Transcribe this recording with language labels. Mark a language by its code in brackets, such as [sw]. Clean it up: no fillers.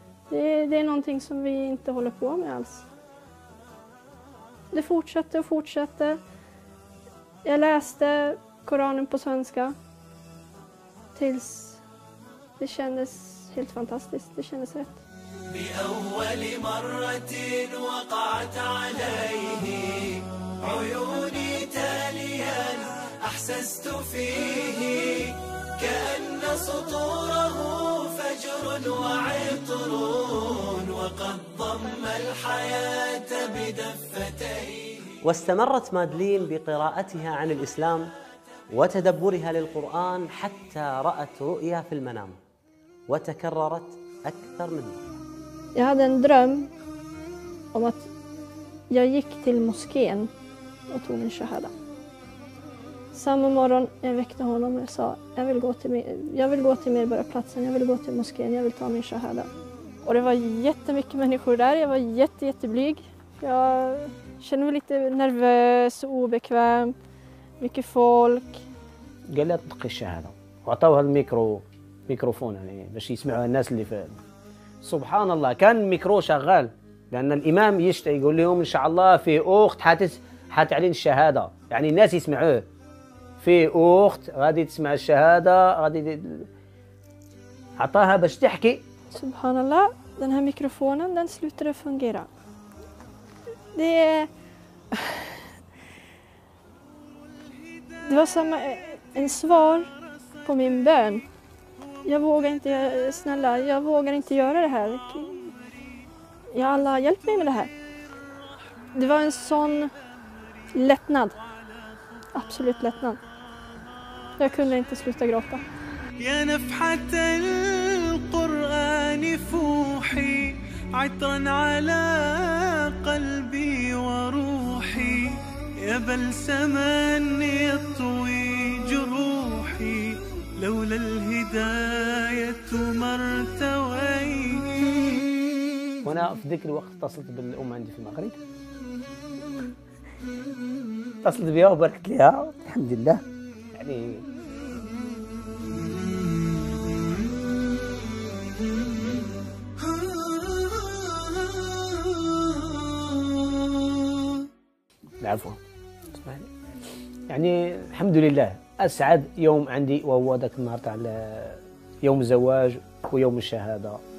[sv] det är någonting som vi inte håller på med alls. Det fortsatte och fortsatte. Jag läste Koranen på svenska tills det kändes helt fantastiskt. Det kändes rätt. [ar] بأول مرة وقعت عليه عيوني تاليا أحسست فيه كأن سطوره فجر وعطر وقد ضم الحياة بدفتيه. واستمرت مادلين بقراءتها عن الإسلام وتدبرها للقرآن حتى رأت رؤيا في المنام وتكررت أكثر منها. [sv] Jag hade en dröm om att jag gick till moskén och tog min shahada. Samma morgon jag väckte honom och jag sa jag vill gå till medborgarplatsen, jag vill gå till moskén, jag vill ta min shahada. Och det var jättemycket människor där, jag var jätteblyg. Jag kände mig lite nervös och obekväm, mycket folk. [ar] قال اطلق الشهاده واعطوه الميكروفون يعني باش يسمعوا الناس اللي في. سبحان الله كان ميكرو شغال لأن الإمام يشتئ يقول لهم إن شاء الله في أخت حتعلن الشهادة يعني الناس يسمعوه في أخت غادي تسمع الشهادة غادي عطاها باش تحكي. [sv] سبحان الله den här mikrofonen den slutade fungera. Det var som en svar på min bön. Jag vågar inte, snälla, jag vågar inte göra det här. Ja, Allah, hjälp mig med det här. Det var en sån lättnad. Absolut lättnad. Jag kunde inte sluta gråta. [ar] Ya nafhat al-Qur'an fuhi Aitran ala qalbi wa ruhi Ya balsaman yattwi juruhi لولا الهداية مرتويني. هنا في ذلك الوقت اتصلت بالأم عندي في المغرب. اتصلت بها وبركت لها الحمد لله. يعني العفو يعني الحمد لله أسعد يوم عندي وهو ذاك النهار تاع يوم الزواج ويوم الشهادة.